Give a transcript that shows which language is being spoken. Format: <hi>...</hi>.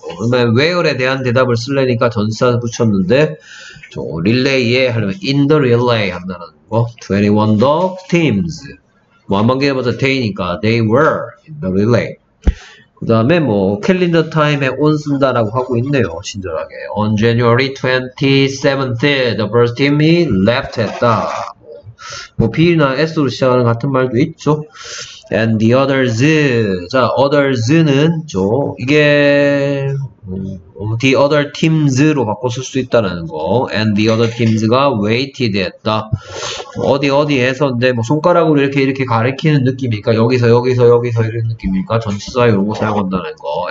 <ko>그러면 where에 대한 대답을 쓰려니까 전사 붙였는데, 저 릴레이에 하려면</ko> <en>in the relay</en> <ko>한다는 거.</ko> <en>21 dog teams.</en> <ko>뭐 한 번 해보자.</ko> <en>they니까 they were in the relay.</en> <ko>그 다음에 뭐 캘린더 타임에 온 쓴다라고 하고 있네요. 친절하게.</ko> <en>On January 27th, the first team he left</en> <ko>했다. 뭐 B나 S로 시작하는 같은 말도 있죠.</ko> <en>And the others.</en> <ko>자, others는 저 이게 the other teams로 바꿔 쓸 수 있다는 거.</ko> <en>And the other teams가 waited</en> <ko>했다. 어디 어디에서인데 뭐 손가락으로 이렇게 가리키는 느낌이니까 여기서 이런 느낌이니까 전치사 이런 거 사용한다는 거.</ko>